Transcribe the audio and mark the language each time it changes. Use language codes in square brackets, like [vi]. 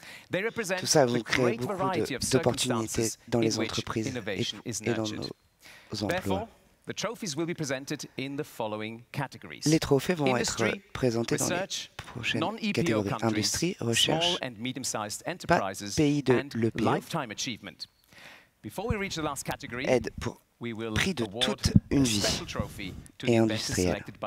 [fr] Tout ça vous crée beaucoup d'opportunités dans les entreprises et dans nos emplois. [en] The trophies will be presented in the following categories. [fr] Les trophées vont être présentés dans les prochaines catégories. Industrie, recherche, pas pays de l'EPF, aide pour prix de toute une vie et industriel.